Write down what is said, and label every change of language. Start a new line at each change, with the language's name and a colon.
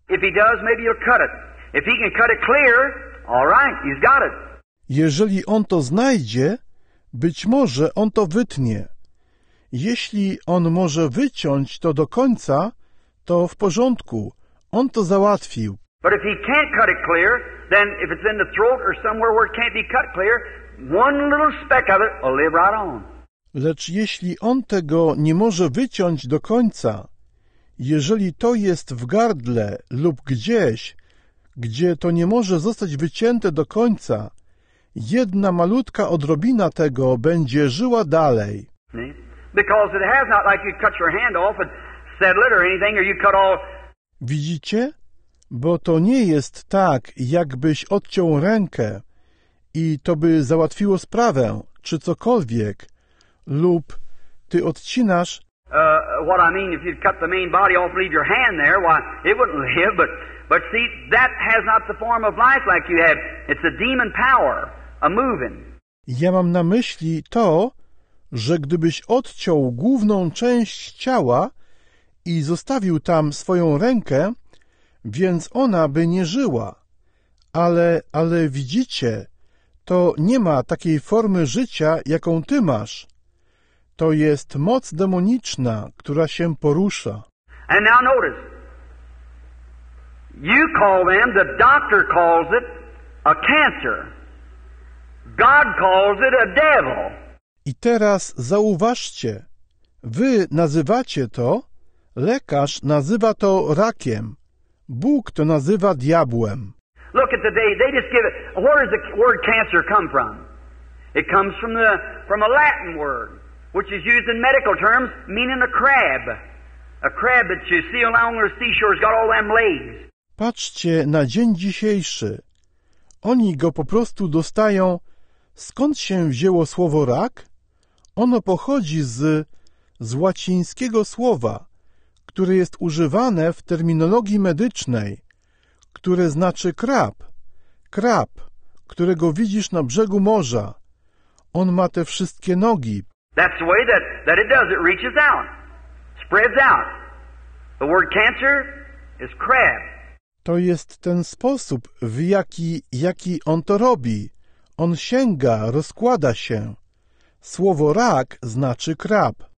English: If he does, maybe he'll cut it. If he can cut it clear, all right, he's got it.
Polish: Jeżeli on to znajdzie, być może on to wytnie. Jeśli on może wyciąć to do końca, to w porządku. On to załatwił.
English: But if he can't cut it clear, then if it's in the throat or somewhere where it can't be cut clear, one little speck of it will live right on.
Polish: Lecz jeśli on tego nie może wyciąć do końca, jeżeli to jest w gardle lub gdzieś, gdzie to nie może zostać wycięte do końca, jedna malutka odrobina tego będzie żyła dalej.
English: Because it has not, like you cut your hand off and settle it or anything, or you cut all.
Polish: Widzicie? Bo to nie jest tak, jakbyś odciął rękę i to by załatwiło sprawę, czy cokolwiek, lub ty odcinasz.
English: What I mean, if you cut the main body off, leave your hand there, why, it wouldn't live, but see, that has not the form of life like you have. It's a demon power, a moving.
Polish: Ja mam na myśli to, że gdybyś odciął główną część ciała i zostawił tam swoją rękę, więc ona by nie żyła. Ale widzicie, to nie ma takiej formy życia, jaką ty masz. To jest moc demoniczna, która się porusza.
English: And now notice. You call them, the doctor calls it a cancer. God calls it a devil.
Polish: I teraz zauważcie. Wy nazywacie to, lekarz nazywa to rakiem. Bóg to nazywa diabłem.
English: Look at the day, they just give it. Where does the word cancer come from? It comes from a Latin word, which is used in medical terms, meaning a crab. A crab that you see along the seashore has got all them legs.
Polish: Patrzcie na dzień dzisiejszy. Oni go po prostu dostają. Skąd się wzięło słowo rak? Ono pochodzi z łacińskiego słowa, które jest używane w terminologii medycznej, które znaczy krab. Krab, którego widzisz na brzegu morza. On ma te wszystkie nogi.
English: That's the way that it does. It reaches out. Spreads out. The word cancer is crab.
Polish: To jest ten sposób, w jaki on to robi. On sięga, rozkłada się. Słowo rak znaczy krab.